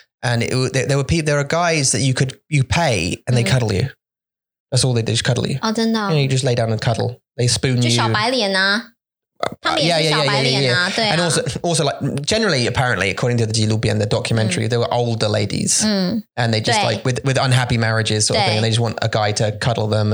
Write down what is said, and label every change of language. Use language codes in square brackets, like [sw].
[en] And there were guys that you pay and they cuddle you. That's all they did, just cuddle you. [zh] Oh, 真的 [en] You know, you just lay down and cuddle. They spoon [zh] 就小白脸啊 他们也是小白脸啊 [en] And also like, generally, apparently, according to the 纪录片, the documentary, there were older ladies. And they just like, with unhappy marriages sort of thing, and they just want a guy to cuddle them.